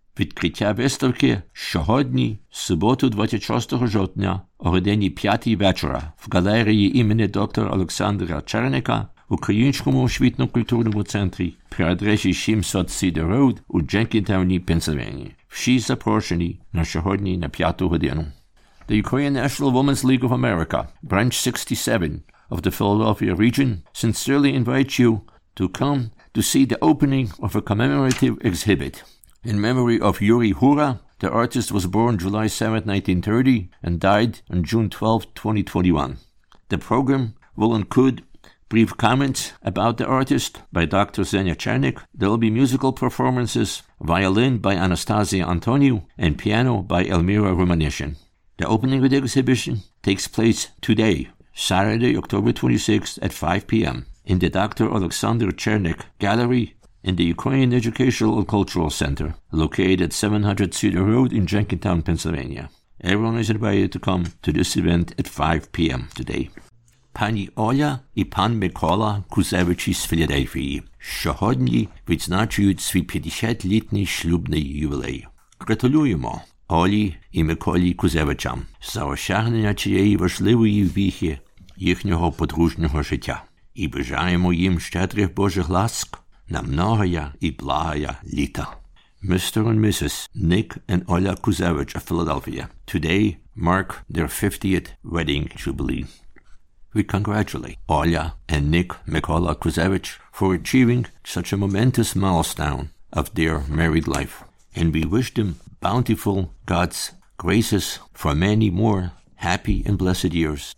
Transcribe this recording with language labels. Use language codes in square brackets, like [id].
[uk] Відкриття виставки сьогодні, суботу 26 жовтня, о годині 5 вечора, в галереї імені доктора Олександра Черника, Українському освітньо-культурному центрі при адресі 700 Cedar Road у Дженкінтауні, Пенсильванії. Всі запрошені на сьогодні на 5 годину. [en] The Ukrainian National Women's League of America, Branch 67 of the Philadelphia region, sincerely invites you to come to see the opening of a commemorative exhibit. In memory of Yuri Hura, the artist was born July 7, 1930 and died on June 12, 2021. The program will include brief comments about the artist by Dr. Zenia Chernik. There will be musical performances, violin by Anastasia Antoniu and piano by Elmira Romanishin. The opening of the exhibition takes place today, Saturday, October 26th at 5 p.m. in the Dr. Alexander Chernik Gallery in the Ukrainian Educational and Cultural Center, located at 700 Cedar Road in Jenkintown, Pennsylvania. Everyone is invited to come to this event at 5 p.m. today. [uk] Пані Оля і пан Микола Кузевичі з Філадельфії сьогодні відзначують свій 50-літній шлюбний ювілей. Гратулюємо Олі і Миколі Кузевичам за осягнення цієї важливої віхи їхнього подружнього життя і бажаємо їм щедрих Божих ласк на многоя і благоя літа. [en] Mr. and Mrs. Nick and Olya Kuzevich of Philadelphia today mark their 50th wedding jubilee. We congratulate Olya and Nick Mykola Kuzevich for achieving such a momentous milestone of their married life, and we wish them bountiful God's graces for many more happy and blessed years.